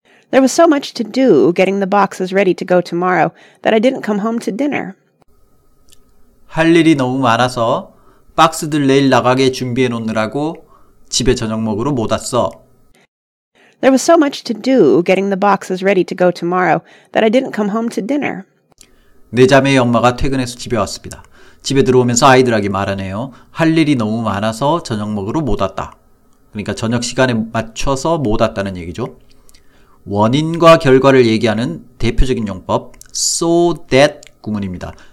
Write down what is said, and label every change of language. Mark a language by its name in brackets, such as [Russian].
[English] There was so much to do getting the boxes ready to go tomorrow that I didn't come home to dinner. [Korean] 할 일이 너무 많아서 박스들 내일 나가게 준비해 놓느라고 집에 저녁 먹으러 못 왔어. [English] There was so much to do getting the boxes ready to go tomorrow that I didn't come home to dinner. [Korean] 내 자매의 엄마가 퇴근해서 집에 왔습니다. 집에 들어오면서 아이들에게 말하네요. 할 일이 너무 많아서 저녁 먹으러 못 왔다. 그러니까 저녁 시간에 맞춰서 못 왔다는 얘기죠. 원인과 결과를 얘기하는 대표적인 용법, so that 구문입니다.